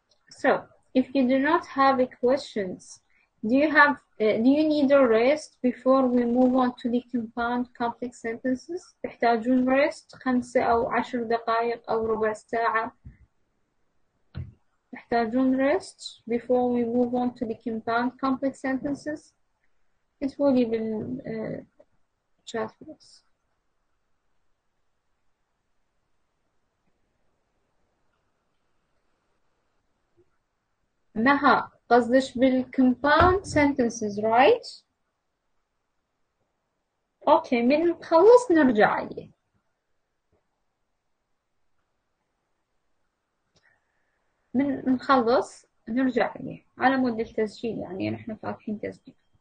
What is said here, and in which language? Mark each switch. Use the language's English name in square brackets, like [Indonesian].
[English] So, if you do not have questions, do you need a rest before we move on to the compound complex sentences? [Arabic] تحتاجون rest 5 أو 10 دقائق أو ربع ساعة. تحتاجون [English] rest before we move on to the compound complex sentences. It will be in chat box. [Arabic] نها قصدش بالcompound sentences, right? Okay, من نخلص نرجع عليه. من نخلص نرجع عليه. على مود التسجيل يعني نحن فاتحين تسجيل.